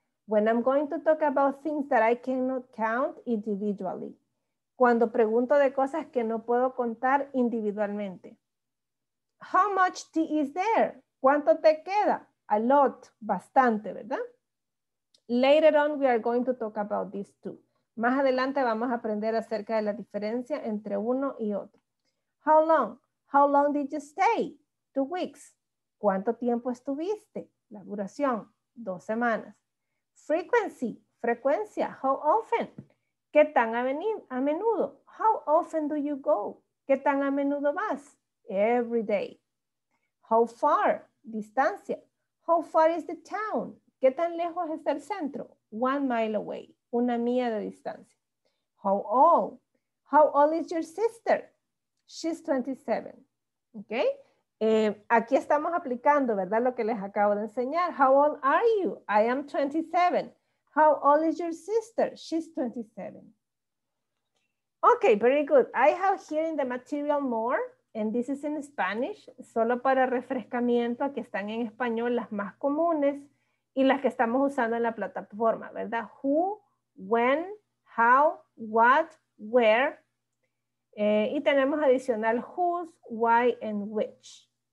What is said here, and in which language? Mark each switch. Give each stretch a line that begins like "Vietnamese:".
English: When I'm going to talk about things that I cannot count individually.
Spanish: Cuando pregunto de cosas que no puedo contar individualmente.
English: How much tea is there?
Spanish: ¿Cuánto te queda?
English: A lot,
Spanish: bastante, ¿verdad?
English: Later on we are going to talk about these two.
Spanish: Más adelante vamos a aprender acerca de la diferencia entre uno y otro.
English: How long? How long did you stay? 2 weeks.
Spanish: ¿Cuánto tiempo estuviste? La duración, 2 semanas. Frequency, frecuencia,
English: how often?
Spanish: ¿Qué tan a menudo?
English: How often do you go?
Spanish: ¿Qué tan a menudo vas?
English: Every day. How far? Distancia. How far is the town?
Spanish: ¿Qué tan lejos es el centro?
English: 1 mile away,
Spanish: 1 milla de distancia.
English: How old? How old is your sister? She's 27. Okay.
Spanish: Aquí estamos aplicando, ¿verdad? Lo que les acabo de enseñar.
English: How old are you? I am 27. How old is your sister? She's 27. Okay, very good. I have here in the material more, and this is in Spanish.
Spanish: Solo para refrescamiento, aquí están en español las más comunes y las que estamos usando en la plataforma, ¿verdad?
English: Who, when, how, what, where.
Spanish: Y tenemos adicional whose, why, and which.